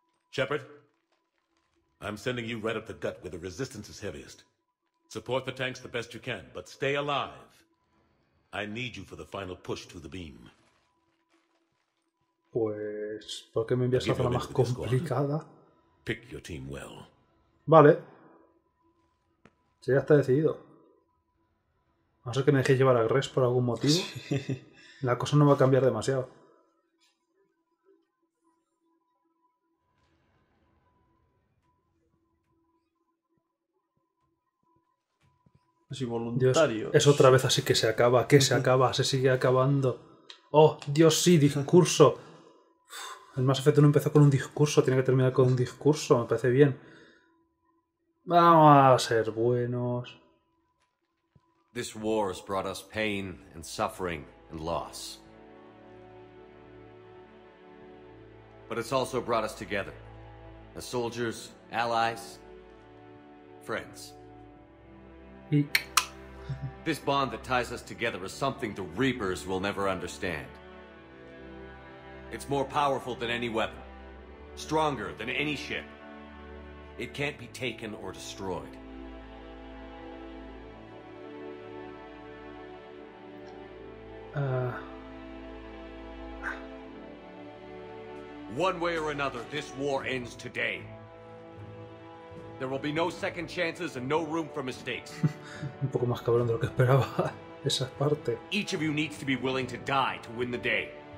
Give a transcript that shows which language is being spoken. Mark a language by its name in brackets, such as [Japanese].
[English] Shepard, I'm sending you right up the gut where the resistance is heaviest. Support the tanks the best you can, but stay alive. I need you for the final push to the beam. [Spanish] Pues, ¿por qué me envías a la zona más complicada? [English] Pick your team well. [Spanish] Vale. Sí, ya está decidido. A no ser que me dejéis llevar a Gres por algún motivo. Sí. La cosa no va a cambiar demasiado. Es involuntario. Es otra vez así que se acaba, que se acaba, se sigue acabando. Oh, Dios, sí, discurso. El Mass Effect no empezó con un discurso, tiene que terminar con un discurso, me parece bien. Vamos a ser buenos. [English] This war has brought us pain and suffering and loss. But it's also brought us together. As soldiers, allies, friends. Eek. This bond that ties us together is something the Reapers will never understand. It's more powerful than any weapon. Stronger than any ship. It can't be taken or destroyed. One way or another, this war ends today. There will be no second chances and no room for mistakes. [Spanish] Un poco más cabrón de lo que esperaba esa parte. [English] Each of you needs to be willing to die to win the day.